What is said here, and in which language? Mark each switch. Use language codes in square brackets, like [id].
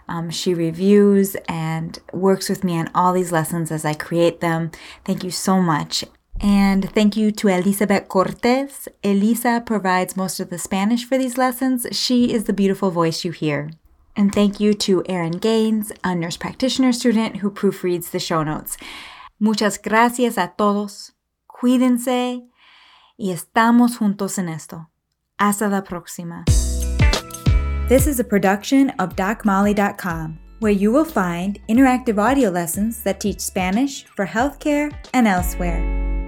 [en] She reviews and works with me on all these lessons as I create them. Thank you so much. And thank you to Elizabeth Cortez. Elisa provides most of the Spanish for these lessons. She is the beautiful voice you hear. And thank you to Erin Gaines, a nurse practitioner student who proofreads the show notes. [es] Muchas gracias a todos. Cuídense. Y estamos juntos en esto. Hasta la próxima. [en] This is a production of DocMolly.com, where you will find interactive audio lessons that teach Spanish for healthcare and elsewhere.